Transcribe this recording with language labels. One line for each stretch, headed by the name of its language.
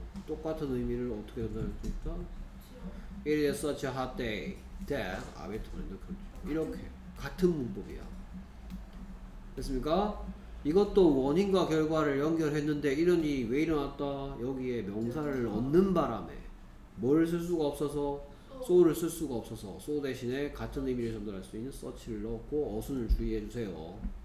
Korean: 똑같은 의미를 어떻게 전달할 수 있다?
English: It is such a hot day that I will turn on the air conditioner.
Korean: 이렇게 같은 문법이야. 됐습니까? 이것도 원인과 결과를 연결했는데 이런 일이 왜 일어났다? 여기에 명사를 얻는 바람에 뭘 쓸 수가 없어서 so를 쓸 수가 없어서 so 대신에 같은 의미를 전달할 수 있는 such를 넣고 어순을 주의해주세요.